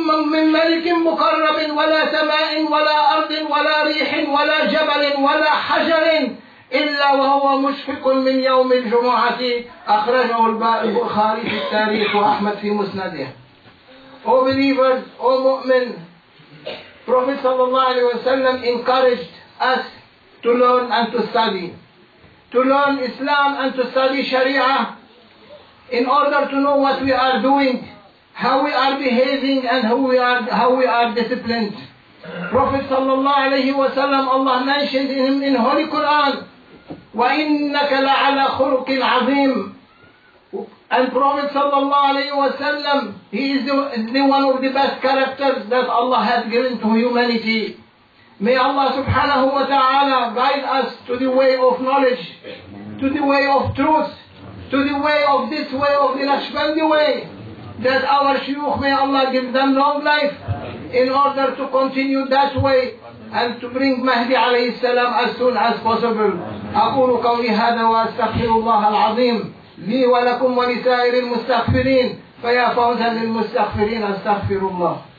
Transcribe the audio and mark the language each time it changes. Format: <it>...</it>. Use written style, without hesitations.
<ar>من ملك مقرب ولا سماء ولا أرض ولا ريح ولا جبل ولا حجر إلا وهو مشفق من يوم الجمعة، أخرجه البخاري في التاريخ وأحمد في مسنده. أو بليفرز، أو مؤمن، النبي صلى الله عليه وسلم</ar> <en>encouraged us to learn and to study. To learn Islam and to study Sharia in order to know what we are doing, how we are behaving and how we are disciplined. Prophet sallallahu alayhi wa sallam, Allah mentioned in Holy Quran,</en> <ar>وإنك لعلى خلق عظيم.</ar> <en>And Prophet sallallahu alayhi wa sallam, he is the one of the best characters that Allah has given to humanity. May Allah subhanahu wa ta'ala guide us to the way of knowledge, to the way of truth, to the way of this way, of the Naqshbandi way, that our shuyukh, may Allah give them long life in order to continue that way and to bring Mahdi alayhi salam as soon as possible.</en> <ar>أقول قولي هذا وأستغفر الله العظيم لي ولكم ولسائر المستغفرين فيا فوزا للمستغفرين أستغفر الله.</ar>